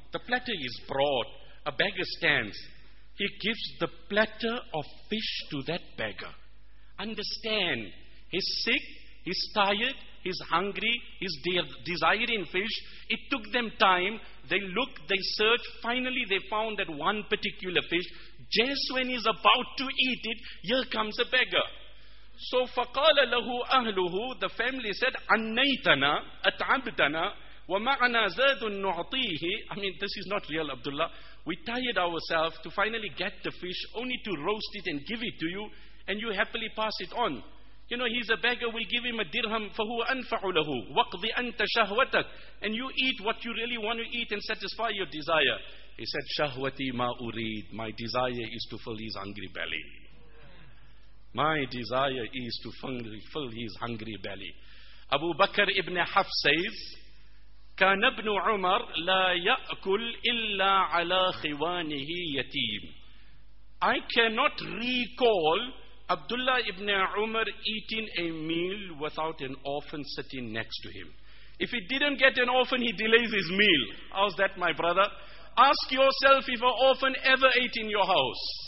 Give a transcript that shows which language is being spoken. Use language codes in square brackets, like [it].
[en] The platter is brought. A beggar stands. He gives the platter of fish to that beggar. Understand, he's sick, he's tired, he's hungry, he's desiring fish. It took them time. They look, they search. Finally, they found that one particular fish. Just when he's about to eat it, here comes a beggar. [ar] So, فَقَالَ لَهُ أَهْلُهُ, [en] the family said, [ar] أَنَّيْتَنَا أَتْعَبْتَنَا وَمَعَنَا زَادٌ نُعْطِيهِ. [en] I mean, this is not real, Abdullah. We tired ourselves to finally get the fish, only to roast it and give it to you, and you happily pass it on. You know, he's a beggar, we'll give him a dirham, [ar] فَهُوَ أَنْفَعُ لَهُ وَقْضِ أَنْتَ شَهْوَتَكَ, [en] and you eat what you really want to eat and satisfy your desire. He said, [ar] شَهْوَتِي مَا أُرِيد, [en] my desire is to fill his hungry belly. My desire is to fill his hungry belly. Abu Bakr ibn Hafs says, [ar] كان ابن عمر لا يأكل إلا على خوانه يتيم. [en] I cannot recall Abdullah ibn Umar eating a meal without an orphan sitting next to him. If he didn't get an orphan, he delays his meal. How's that, my brother? Ask yourself if an orphan ever ate in your house.